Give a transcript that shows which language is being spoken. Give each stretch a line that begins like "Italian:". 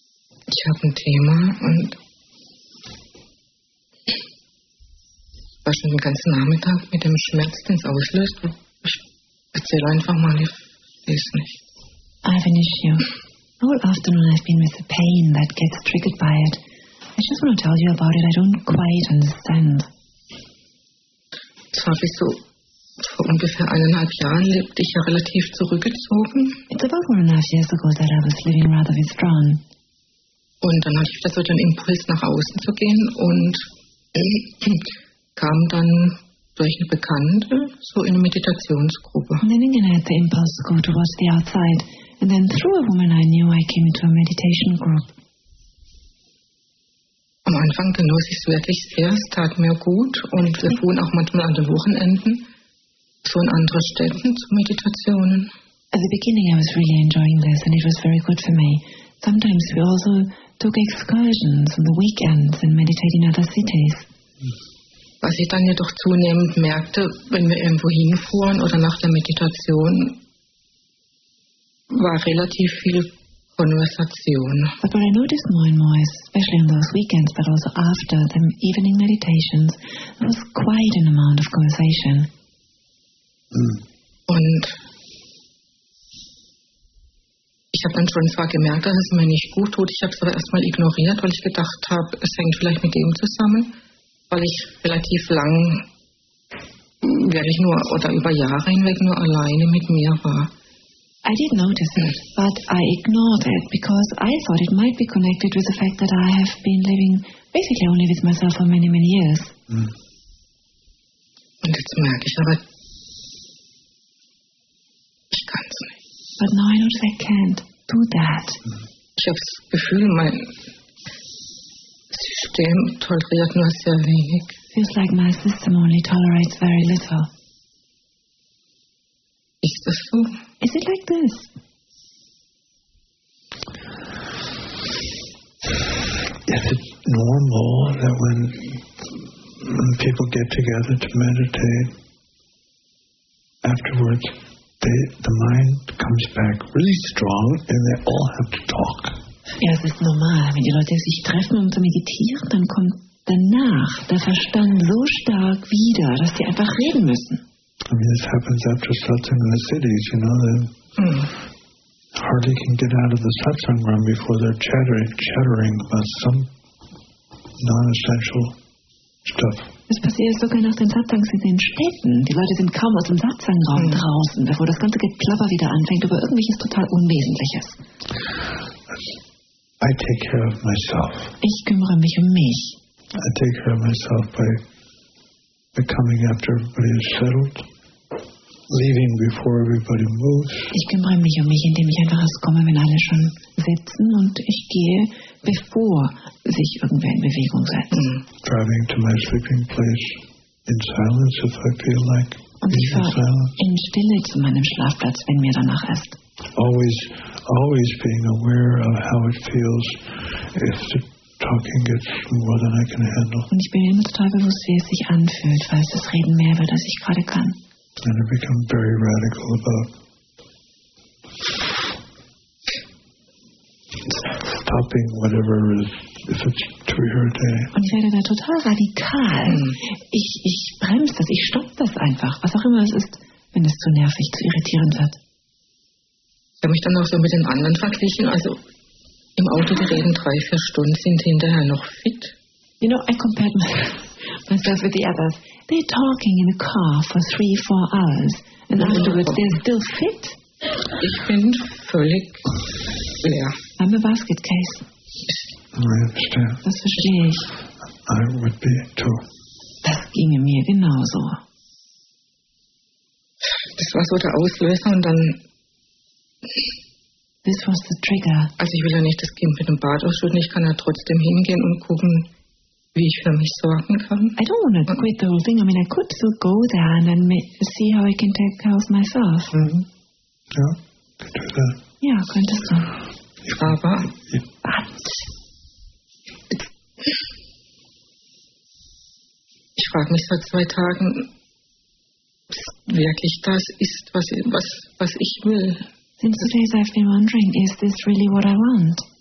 German: Thema und war schon den ganzen Nachmittag mit dem Schmerz, den es auslöst. Ich erzähle einfach mal, ich weiß nicht.
English: I have an issue. All afternoon I've been with the pain that gets triggered by it. I just want to tell you about it, I don't quite understand.
German: Das habe ich so vor ungefähr eineinhalb Jahren lebte ich ja relativ zurückgezogen.
English: It's about 1.5 years ago that I was living rather withdrawn.
German: Und dann hatte ich da so den Impuls, nach außen zu gehen und kam dann durch eine Bekannte so in eine Meditationsgruppe.
English: And then again I had the impulse to go towards the outside. And then through a woman I knew I came into a meditation group.
German: Am Anfang genoss ich es wirklich sehr, es tat mir gut. Und wir fuhren auch manchmal an den Wochenenden so in andere Städten zu Meditationen.
English: At the beginning I was really enjoying this and it was very good for me. Sometimes we also took excursions on the weekends and meditated in other cities.
German: Was ich dann jedoch zunehmend merkte, wenn wir irgendwo hinfuhren oder nach der Meditation, war relativ viel Konversation.
English: But what I noticed more and more, especially on those weekends, but also after the evening meditations, there was quite an amount of conversation.
German: Und ich habe dann schon zwar gemerkt, dass es mir nicht gut tut, ich habe es aber erstmal ignoriert, weil ich gedacht habe, es hängt vielleicht mit dem zusammen, weil ich relativ lang, nur oder über Jahre hinweg nur alleine mit mir war.
English: I did notice it, but I ignored it, because I thought it might be connected with the fact that I have been living basically only with myself for many, many years.
German: Und jetzt merke ich aber, ich kann es nicht.
English: But now I notice I can't do that.
German: Ich habe das Gefühl, mein System toleriert nur sehr wenig.
English: Feels like my system only tolerates very little.
German: Ist das so?
English: Is it like this? Is it normal that when people get together to meditate afterwards, the mind comes back really strong and they all have to talk?
German: Ja, es ist normal, wenn die Leute sich treffen, um zu meditieren, dann kommt danach der Verstand so stark wieder, dass sie einfach reden müssen.
English: I mean, this happens after satsang in the cities, you know, they hardly can get out of the satsang room before they're chattering about some non-essential stuff.
German: Es passiert sogar nach den Satsangs in den Städten. Die Leute sind kaum aus dem Satsangraum draußen, bevor das ganze Geplapper wieder anfängt über irgendwelches total Unwesentliches.
English: I take care of myself.
German: Ich kümmere mich um mich.
English: I take care of myself by coming after everybody is settled, leaving before everybody moves.
German: Ich kümmere mich um mich, indem ich einfach erst komme, wenn alle schon sitzen, und ich gehe, bevor sich irgendwer in Bewegung setzt.
English: Driving to my sleeping place in silence, if I feel like.
German: Und ich fahre in Stille zu meinem Schlafplatz, wenn mir danach ist.
English: Always being aware of how it feels if the talking gets more than I can handle.
German: Und ich bin immer total bewusst, wie es sich anfühlt, falls das Reden mehr wird, als ich gerade kann.
English: And I become very radical about stopping whatever is, if it's too irritating.
German: Und ich werde da total radikal. Ich bremse das, ich stoppe das einfach, was auch immer es ist, wenn es zu nervig, zu irritierend wird. Ich habe mich dann auch so mit den anderen verglichen, also im Auto, die reden 3-4 Stunden, sind hinterher noch fit.
English: You know, I compared myself with the others. They're talking in a car for 3-4 hours and afterwards they're still fit.
German: Ich bin völlig leer.
English: I'm a basket case.
German: Ja, verstehe. Das verstehe ich.
English: I would be too.
German: Das ginge mir genauso. Das war so der Auslöser und dann...
English: This was the trigger.
German: Also ich will ja nicht das Kind mit dem Bart ausschütten. Ich kann ja trotzdem hingehen und gucken, wie ich für mich sorgen kann.
English: I don't want to quit the whole thing. I mean, I could still go there and then see how I can take care of myself.
German: Ja, könntest du das. Ja, könntest du. Aber... Ich frage mich seit 2 Tagen, wirklich das ist, was ich will.
English: Since 2 days I've been wondering, is this really what I want?